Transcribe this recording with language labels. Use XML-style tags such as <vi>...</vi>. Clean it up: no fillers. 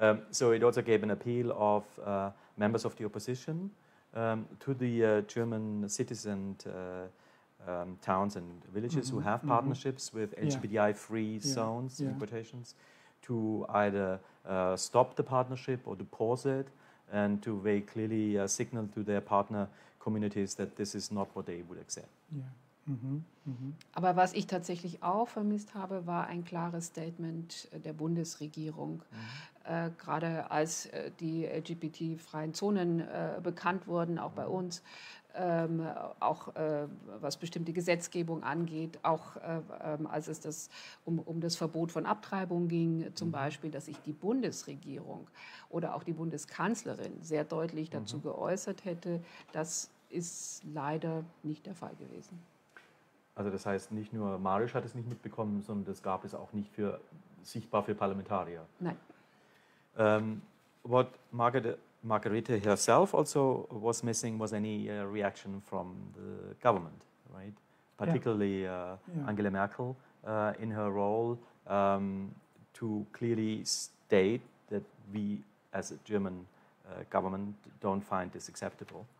<en>So it also gave an appeal of members of the opposition to the German citizen towns and villages who have partnerships with LGBTI-free zones, in quotations, to either stop the partnership or to pause it and to very clearly signal to their partner communities that this is not what they would accept. Yeah.</en> <de>Aber was ich tatsächlich auch vermisst habe, war ein klares Statement der Bundesregierung. Gerade als die LGBT-freien Zonen bekannt wurden, auch bei uns, auch was bestimmte Gesetzgebung angeht, auch als es das um das Verbot von Abtreibung ging, zum Beispiel, dass sich die Bundesregierung oder auch die Bundeskanzlerin sehr deutlich dazu geäußert hätte, das ist leider nicht der Fall gewesen. Also das heißt, nicht nur Mariusz hat es nicht mitbekommen, sondern das gab es auch nicht für sichtbar für Parlamentarier. Nein.</de> <en>What Margarete herself also was missing was any reaction from the government, right? Particularly Angela Merkel in her role to clearly state that we as a German government don't find this acceptable.</en>